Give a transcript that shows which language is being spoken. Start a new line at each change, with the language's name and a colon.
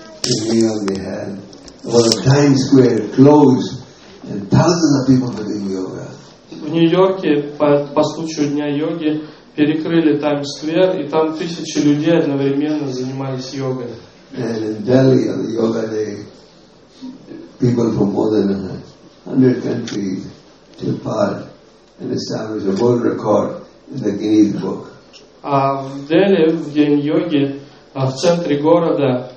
Russian: В Нью-Йорке по случаю Дня йоги перекрыли Таймс-сквер, и там тысячи людей одновременно занимались йогой.
English: And in Delhi, on the yoga day, people from more than 100 countries took part and established a world record in the Guinness book.
Russian: А в Дели, в День йоги, в центре города,